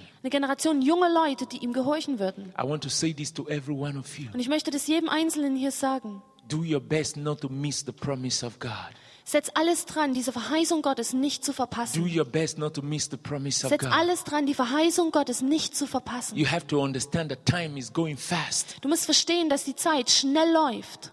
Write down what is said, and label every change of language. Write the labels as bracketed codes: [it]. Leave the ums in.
[de] Generation junger Leute, die ihm gehorchen würden. Und ich möchte das jedem Einzelnen hier sagen. [en] Do your best not to miss the promise of God. [de] Setz alles dran, diese Verheißung Gottes nicht zu verpassen. Setz alles dran, die Verheißung Gottes nicht zu verpassen. [en] You have to understand that time is going fast. [de] Du musst verstehen, dass die Zeit schnell läuft.